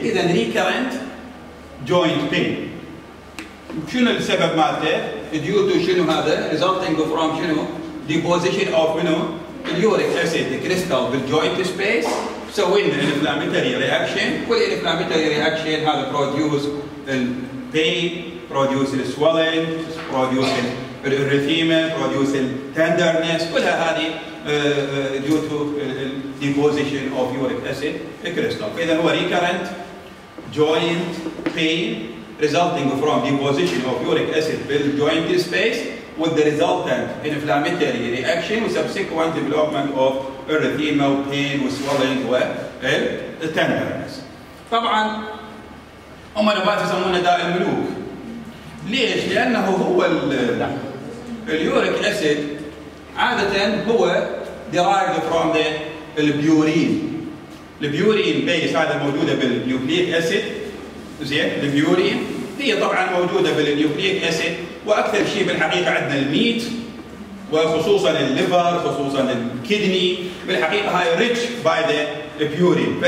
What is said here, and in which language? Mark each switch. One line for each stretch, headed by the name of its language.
Arabic: اذا ريكرنت جوينت بين شنو السبب مالته؟ ديو تو شنو هذا؟ ريزلتنج فروم شنو؟ ديبوزيشن اوف منو؟ اليوريك اسيد كريستال بالجوينت سبيس سوي لنا انفلامتري رياكشن، والانفلامتري رياكشن هذا بروديوس البين، بروديوس السوالين، بروديوس الريثيما، بروديوس التندرنس، كلها هذه
English: due to deposition of uric acid crystal.
Arabic: فإذا هو
English: recurrent joint pain resulting from deposition of uric acid in joint space with the resultant inflammatory reaction with subsequent development of erythema pain with swelling and tenderness.
Arabic: طبعا هم نبات يسمونه داء الملوك. ليش؟ لأنه هو اليوريك أسيد عادة هو
English: derived from the purine.
Arabic: البيورين base هذا موجودة بالنيوكليك أسيد، زين البيورين هي طبعا موجودة بالنيوكليك أسيد، وأكثر شيء بالحقيقة عندنا الميت وخصوصا الليفر خصوصا الكدني بالحقيقة هاي
English: rich by the purine.